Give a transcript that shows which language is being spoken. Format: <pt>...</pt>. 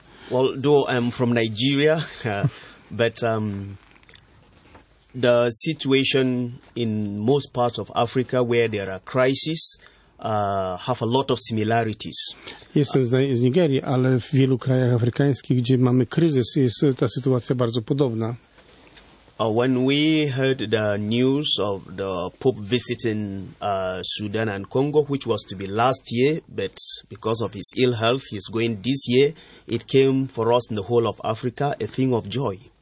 <en>Well, though I'm from Nigeria, but the situation in most parts of Africa where there are crises have a lot of similarities.</en> <pl>Jestem z Nigerii, ale w wielu krajach afrykańskich, gdzie mamy kryzys, jest ta sytuacja bardzo podobna.</pl> <en>When we heard the news of the Pope visiting Sudan and Congo, which was to be last year, but because of his ill health, he's going this year, it came for us in the whole of Africa a thing of joy.</en>